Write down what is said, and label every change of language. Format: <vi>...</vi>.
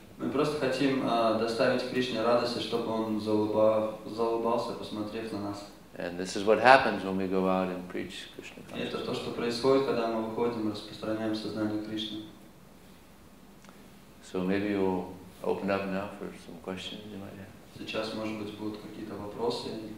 <ru>Мы просто хотим доставить Кришне радость, чтобы он заулыбался, посмотрев на нас.</ru> <en>And this is what happens when we go out and preach Krishna consciousness.</en> <ru>Это то, что происходит, когда мы выходим и распространяем сознание Кришны.</ru> <en>So maybe we'll open up now for some questions you might have.</en> <ru>Сейчас, может быть, будут какие-то вопросы.</ru>